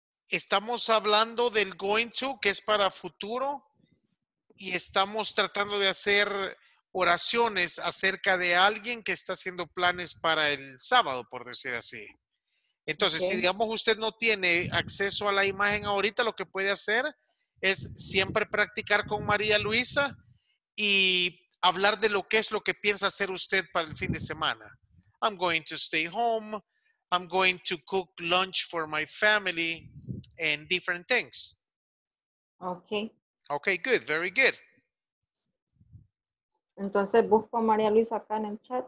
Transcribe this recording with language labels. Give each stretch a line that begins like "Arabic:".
Spanish: Estamos hablando del going to, que es para futuro, y estamos tratando de hacer oraciones acerca de alguien que está haciendo planes para el sábado, por decir así. Entonces, okay. Si digamos usted no tiene acceso a la imagen ahorita, lo que puede hacer es siempre practicar con María Luisa y hablar de lo que es lo que piensa hacer usted para el fin de semana.
English: I'm going to stay home. I'm going to cook lunch for my family and different things. Okay. Okay, good. Very good.
Spanish: Entonces, busco a María Luisa acá en el chat.